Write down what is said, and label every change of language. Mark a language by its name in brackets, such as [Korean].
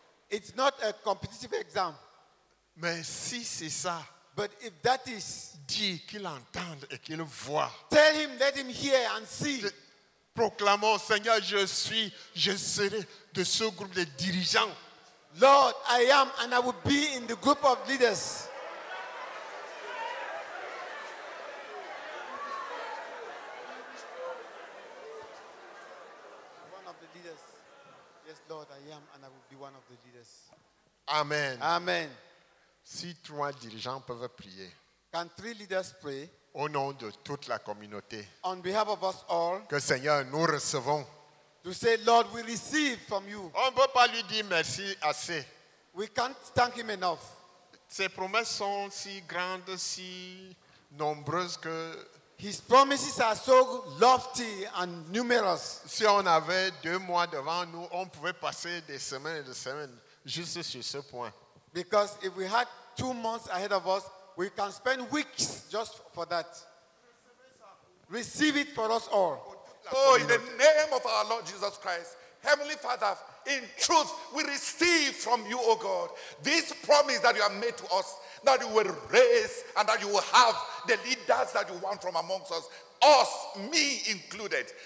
[English] It's not a competitive exam. [French] Mais si c'est ça. [English] But if that is, [French] dis qu'il entende et qu'il voit. [English] Tell him, let him hear and see. [French] Proclamons, Seigneur, je suis, je serai de ce groupe de dirigeants. [English] Lord, I am and I will be in the group of leaders. One of the leaders. Yes, Lord, I am and I will be one of the leaders. Amen. Amen. [French] Si trois dirigeants peuvent prier, [English] can three leaders pray, [French] au nom de toute la communauté, [English] on behalf of us all, [French] que Seigneur nous recevons, [English] to say, Lord, we receive from you. [French] On ne peut pas lui dire merci assez. [English] We can't thank him enough. [French] Ses promesses sont si grandes, si nombreuses que [English] his promises are so lofty and numerous. [French] Si on avait deux mois devant nous, on pouvait passer des semaines et des semaines juste sur ce point. [English] Because if we had 2 months ahead of us, we can spend weeks just for that. Receive it for us all. Oh, in the name of our Lord Jesus Christ, Heavenly Father, in truth, we receive from you, O God, this promise that you have made to us, that you will raise and that you will have the leaders that you want from amongst us, us, me included.